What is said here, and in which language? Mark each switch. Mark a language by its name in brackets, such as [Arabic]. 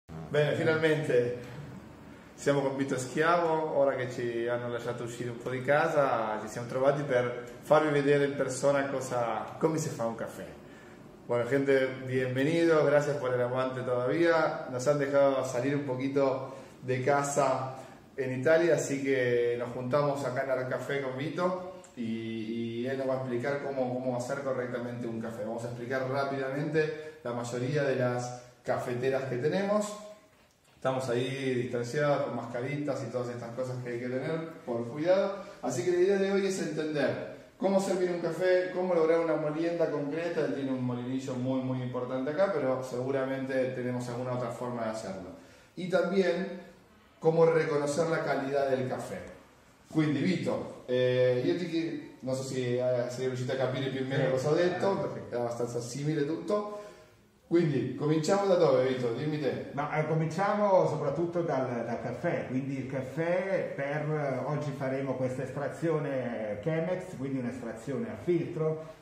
[Italian] Bene, finalmente siamo con Vito Schiavo, ora che ci hanno lasciato uscire un po' di casa, ci siamo trovati per farvi vedere in persona cosa, come si fa un caffè. [Spanish] Bueno, gente, bienvenido, gracias por el aguante todavía. Nos han dejado salir un poquito de casa en Italia, así que nos juntamos acá en el café con Vito y él nos va a explicar cómo hacer correctamente un café. Vamos a explicar rápidamente la mayoría de las cafeteras que tenemos. Estamos ahí distanciados con mascaritas y todas estas cosas que hay que tener por cuidado. Así que la idea de hoy es entender cómo servir un café, cómo lograr una molienda concreta. Él tiene un molinillo muy muy importante acá, pero seguramente tenemos alguna otra forma de hacerlo. Y también cómo reconocer la calidad del café. [Italian] Quindi Vito, io ti chiedo, non so se sei riuscito a capire più o meno cosa ho detto, perché è abbastanza simile tutto. Quindi cominciamo da dove, Vito? Dimmi te. Ma cominciamo soprattutto dal caffè. Quindi il caffè, per oggi faremo questa estrazione Chemex, quindi un'estrazione a filtro.